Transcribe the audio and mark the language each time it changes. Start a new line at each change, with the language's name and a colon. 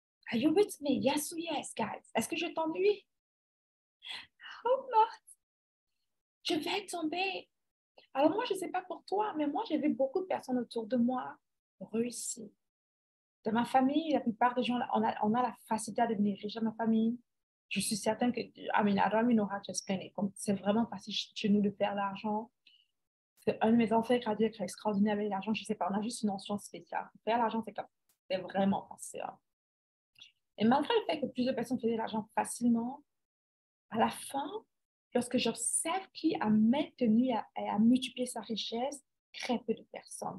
English: Are you with me? Yes or yes, guys?
French: Est-ce que je t'ennuie?
English: Oh Lord!
French: Je vais tomber. Alors moi, je ne sais pas pour toi, mais moi, j'ai vu beaucoup de personnes autour de moi réussir. Dans ma famille, la plupart des gens, on a la facilité à devenir riche dans ma famille. Je suis certaine que,
English: I mean, I don't mean no hard to spend it.
French: C'est vraiment facile chez nous de faire l'argent. C'est un de mes enfants gradués qui est extraordinaire avec l'argent. Je ne sais pas, on a juste une notion spéciale. Faire l'argent, c'est comme, c'est vraiment facile. Et malgré le fait que plus de personnes faisaient l'argent facilement, à la fin, lorsque j'observe qui a maintenu et a multiplié sa richesse, très peu de personnes.